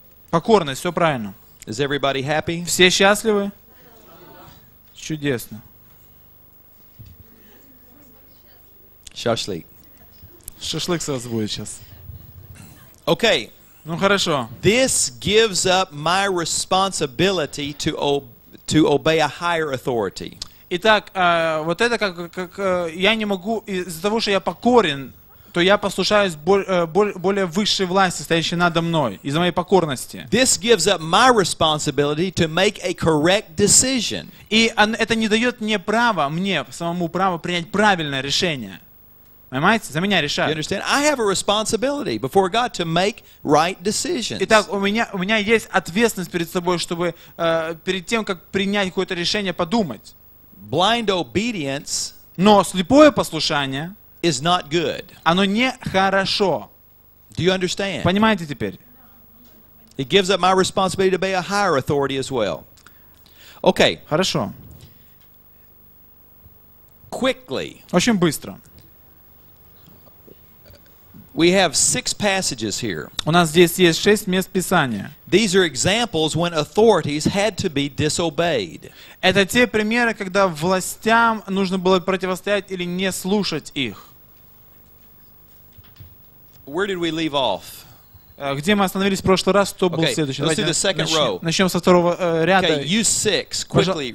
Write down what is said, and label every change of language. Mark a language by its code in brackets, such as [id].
[ru] Покорность, все правильно. [en] Is everybody happy? [ru] Все счастливы? Чудесно. Шашлык. Шашлык сразу будет сейчас. [en] Okay. [ru] Ну хорошо. [en] This gives up my responsibility to obey a higher authority. [ru] Итак, вот это как я не могу, из-за того, что я покорен, то я послушаюсь более высшей власти, стоящей надо мной, из-за моей покорности. [en] This gives up my responsibility to make a correct decision. [ru] И это не дает мне права, мне самому право принять правильное решение. Понимаете? За меня решают. [en] You understand? I have a responsibility before God to make right decisions. [ru] Итак, у меня есть ответственность перед собой, чтобы перед тем, как принять какое-то решение, подумать. [en] Blind obedience, [ru] но слепое послушание, [en] is not good. [ru] Оно не хорошо. [en] Do you understand? [ru] Понимаете теперь? [en] It gives up my responsibility to obey a higher authority as well. Okay. [ru] Хорошо. [en] Quickly. [ru] Очень быстро. [en] We have 6 passages here. [ru] У нас здесь есть 6 мест Писания. [en] These are examples when authorities had to be disobeyed. [ru] Это те примеры, когда властям нужно было противостоять или не слушать их. [en] Where did we leave off? [ru] Где мы остановились в прошлый раз? Кто был следующий? [en] Let's do the second row. [ru] Начнем со второго ряда. [en] Okay, you six, quickly read.